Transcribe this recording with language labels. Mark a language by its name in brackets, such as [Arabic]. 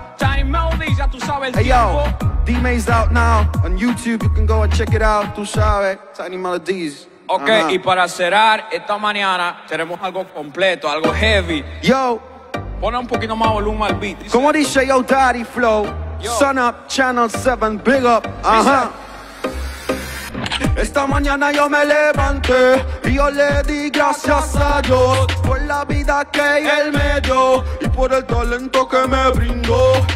[Spanish] Time Melodies, ya tú sabes el tiempo. [English] D-May's out now on YouTube, you can go and check it out. [Spanish] Tú sabes, Tiny Melodies. Ok, y para cerrar esta mañana tenemos algo completo, algo heavy. Yo, pone un poquito más volumen al beat. Como dice yo, Daddy Flow, Sun Up, Channel 7, [English] big up. [Spanish] Ajá. Esta mañana yo me levanté y yo le di gracias a Dios por la vida que Él me dio y por el talento que me brindó.